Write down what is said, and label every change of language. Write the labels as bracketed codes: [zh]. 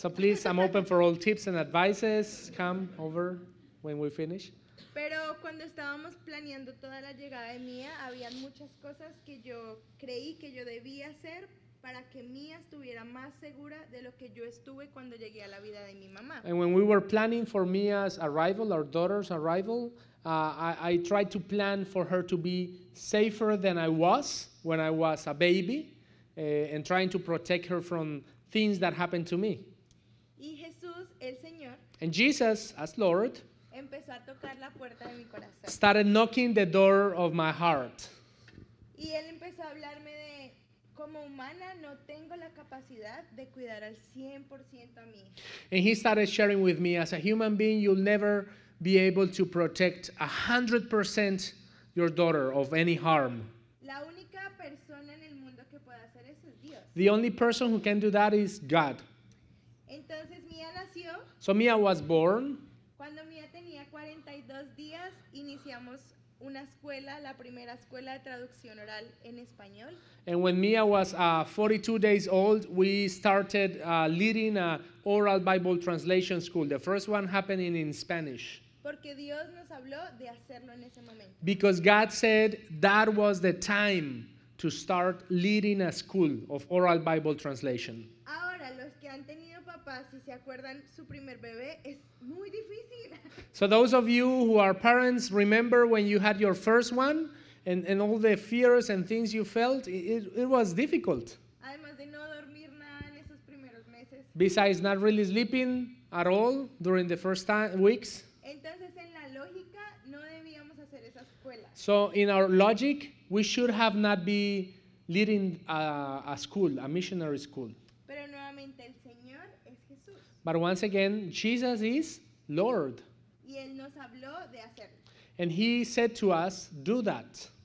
[en] So please, I'm open for all tips and advices. Come over when we finish. [es] Pero cuando estábamos planeando toda la llegada de Mía, había muchas cosas que yo creí que yo debía hacer para que Mía estuviera más segura de lo que yo estuve cuando llegué a la vida de mi mamá. [en] And when we were planning for Mia's arrival, our daughter's arrival, I tried to plan for her to be safer than I was when I was a baby, and trying to protect her from things that happened to me. [es] Y Jesús, el Señor, [en] and Jesus, as Lord, [es] empezó a tocar la puerta de mi corazón. [en] Started knocking the door of my heart. [es] Y él empezó a hablarme de, como humana, no tengo la capacidad de cuidar al 100% a mi hija. [en] And he started sharing with me, as a human being, you'll never be able to protect 100% your daughter of any harm. [es] La única persona en el mundo que puede hacer eso es Dios. [en] The only person who can do that is God. [es] Entonces Mía nació. [en] So Mía was born. [es] Cuando Mía tenía 42 días, iniciamos una escuela, la primera escuela de traducción oral en español. [en] And when Mía was 42 days old, we started leading an oral Bible translation school. The first one happening in Spanish. [es] Porque Dios nos habló de hacerlo en ese momento. [en] Because God said that was the time to start leading a school of oral Bible translation. [es] Ahora, los que han tenido papás, si se acuerdan, su primer bebé es muy difícil. [en] So those of you who are parents, remember when you had your first one and all the fears and things you felt, it was difficult. [es] Además de no dormir nada en esos primeros meses. [en] Besides not really sleeping at all during the first weeks. [es] Entonces, en la lógica, no debíamos hacer esa escuela. [en] So in our logic, we should have not be leading a school, a missionary school. [es] Pero nuevamente el Señor es Jesús. [en] But once again, Jesus is Lord. [es] Y él nos habló de hacerlo. [en] And he said to us, do that.